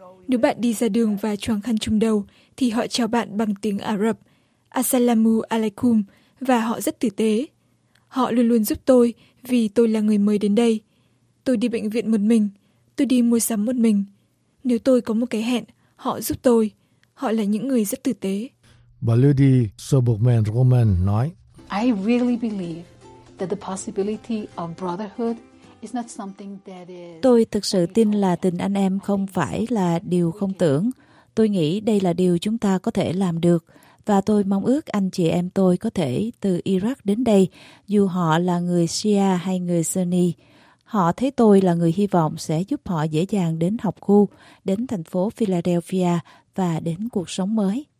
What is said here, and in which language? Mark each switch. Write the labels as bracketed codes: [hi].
[vi] Nếu bạn đi ra đường và choàng khăn trùm đầu, thì họ chào bạn bằng tiếng Ả Rập, [ar] Assalamu alaikum, [vi] và họ rất tử tế. Họ luôn luôn giúp tôi vì tôi là người mới đến đây. Tôi đi bệnh viện một mình, tôi đi mua sắm một mình. Nếu tôi có một cái hẹn, họ giúp tôi. Họ là những người rất tử tế. Bà Lydi Sobukman Roman nói, [en] I really believe that the possibility of brotherhood is not something that is. [vi] Tôi thực sự tin là tình anh em không phải là điều không tưởng. Tôi nghĩ đây là điều chúng ta có thể làm được và tôi mong ước anh chị em tôi có thể từ Iraq đến đây, dù họ là người Shia hay người Sunni. Họ thấy tôi là người hy vọng sẽ giúp họ dễ dàng đến học khu, đến thành phố Philadelphia và đến cuộc sống mới.